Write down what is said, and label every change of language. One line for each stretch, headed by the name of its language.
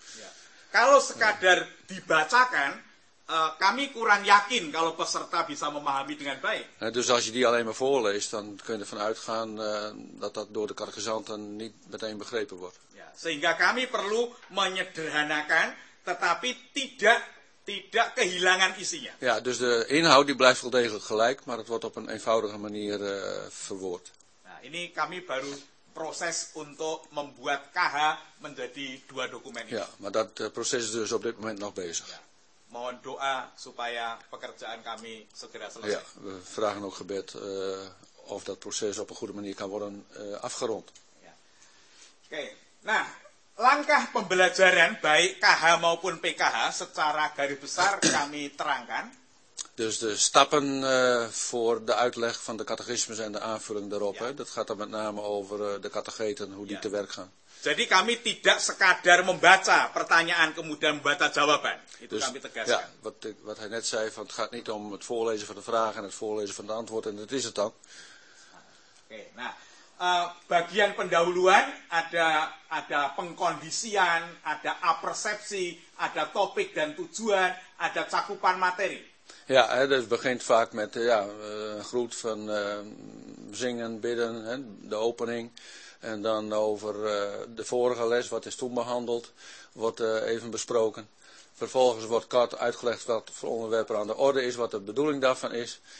Dutch: Ja.
Indonesian: Kalau sekadar dibacakan, kami kurang yakin kalau peserta bisa memahami dengan baik.
Dutch: Dus als je die alleen maar voorleest, dan kun je ervan uitgaan dat dat door de catechisanten niet meteen begrepen wordt.
Indonesian: Ya. Sehingga kami perlu menyederhanakan, tetapi tidak tidak kehilangan isinya.
Dutch: Ja, dus de inhoud die blijft wel degelijk gelijk, maar het wordt op een eenvoudige manier verwoord.
Indonesian: Nah, ini kami baru proses untuk membuat KH menjadi dua dokumen ini.
Dutch: Ja, maar dat proces is dus op dit moment nog bezig. Ja.
Indonesian: Mohon doa supaya pekerjaan kami segera selesai.
Dutch: Ja, we vragen ook gebed of dat proces op een goede manier kan worden afgerond.
Indonesian: Ya. Oke. Nah, langkah pembelajaran baik KH maupun PKH secara garis besar kami terangkan.
Dutch: Dus de stappen voor de uitleg van de catechismus en de aanvulling daarop, ja. Dat gaat dan met name over de catecheten, hoe die ja. Te werk gaan.
Indonesian: Jadi kami tidak sekadar membaca pertanyaan kemudian membaca jawaban. Itu dus, kami tegaskan.
Dutch: Ja, wat hij net zei, van het gaat niet om het voorlezen van de vraag en het voorlezen van de antwoord en dat is het dan.
Indonesian: Oke, nah. Bagian pendahuluan ada pengkondisian, ada apersepsi, ada topik dan tujuan, ada cakupan materi.
Dutch: Ja, het begint vaak met groet van zingen, bidden, de opening, En dan over de vorige les, wat is toen behandeld, wordt even besproken. Vervolgens wordt kort uitgelegd wat voor onderwerp er aan de orde is, wat de bedoeling daarvan is.